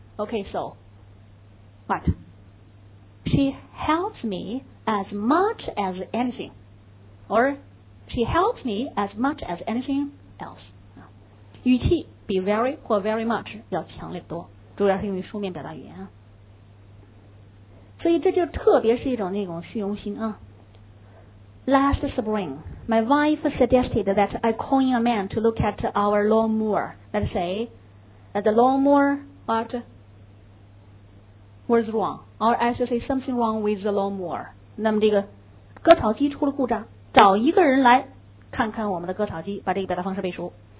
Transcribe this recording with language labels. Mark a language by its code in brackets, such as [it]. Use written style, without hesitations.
[en] Okay, so, what? She helps me as much as anything. Or, she helps me as much as anything else. [zh] 语气比 very 或 very much 要强烈多，主要是用于书面表达语言啊。所以这就特别是一种那种虚荣心啊。 [en] Last spring, my wife suggested that I coin a man to look at our lawnmower. Let's say that the lawnmower, what was wrong? Or I should say something wrong with the lawnmower. [zh] 那么这个割草机出了故障，找一个人来看看我们的割草机，把这个表达方式背熟。